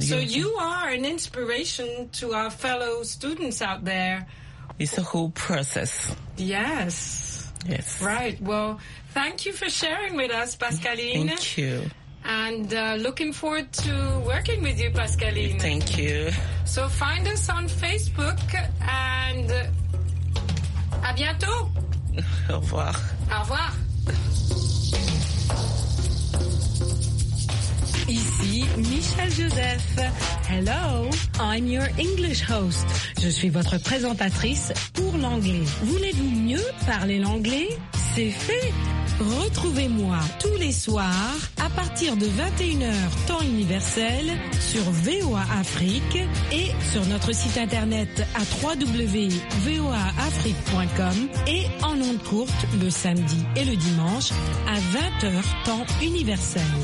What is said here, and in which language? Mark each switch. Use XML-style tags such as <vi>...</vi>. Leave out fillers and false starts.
<en>So you are an inspiration to our fellow students out there. It's a whole process. Yes. Yes. Right. Well, thank you for sharing with us, Pascaline. Thank you. And looking forward to working with you, Pascaline. Thank you. So find us on Facebook and</en> <fr>à bientôt. Au revoir. Au revoir. Ici Michelle Joseph.</fr> <en>Hello, I'm your English host.</en> <fr>Je suis votre présentatrice pour l'anglais. Voulez-vous mieux parler l'anglais? C'est fait. Retrouvez-moi tous les soirs à partir de 21h temps universel sur VOA Afrique et sur notre site internet à www.voaafrique.com et en ondes courtes le samedi et le dimanche à 20h temps universel.</fr>